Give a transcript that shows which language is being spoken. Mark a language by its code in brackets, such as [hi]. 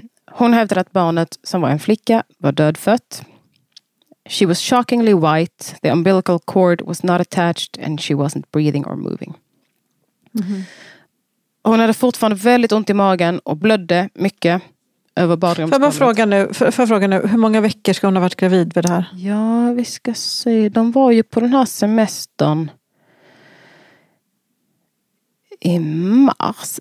[sv] Hon hävdade att barnet som var en flicka var dödfött. [en] She was shockingly white, the umbilical cord was not attached and she wasn't breathing or moving. Mm-hmm. [sv] Hon hade fortfarande väldigt ont i magen och blödde mycket över badrumsgolvet. Får jag fråga nu, hur många veckor ska hon ha varit gravid vid det här? Ja, vi ska se. De var ju på den här semestern i mars.